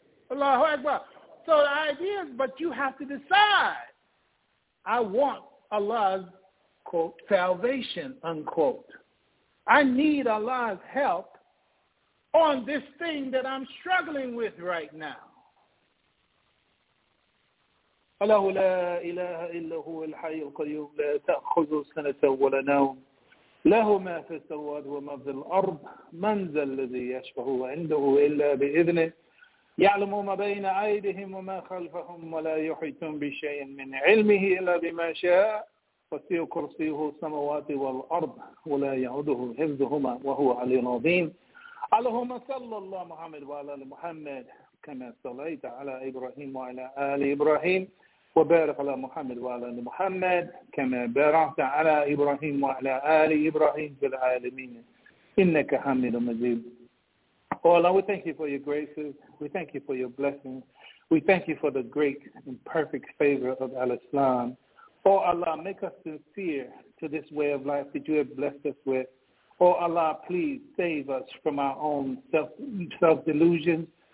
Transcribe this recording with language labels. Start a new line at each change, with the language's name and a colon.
English: Allahu Akbar. So the idea is, but you have to decide, I want Allah's, quote, salvation, unquote. I need Allah's help on this thing that I'm struggling with right now.
Arabic: Allahu la ilaha illa huwa al-hayy al-qayyum la ta'khudhu sanatan wa la nawm lahu ma fi as-samawati wa ma fi al-ard man dhal ladhi yashfa'u 'indahu illa bi'idhnihi يعلم ما بين أيديهم وما خلفهم ولا يحيطون بشيء من علمه إلا بما شاء وسع كرسيه السماوات والأرض ولا يعوده حفظهما وهو العلي العظيم اللهم صل على محمد وعلى آل محمد كما صليت على إبراهيم وعلى آل إبراهيم وبارك على محمد وعلى آل محمد كما باركت على إبراهيم وعلى آل إبراهيم في العالمين إنك حميد مجيد.
English: Oh Allah, we thank you for your graces. We thank you for your blessings. We thank you for the great and perfect favor of Al-Islam. Oh Allah, make us sincere to this way of life that you have blessed us with. Oh Allah, please save us from our own self-delusion.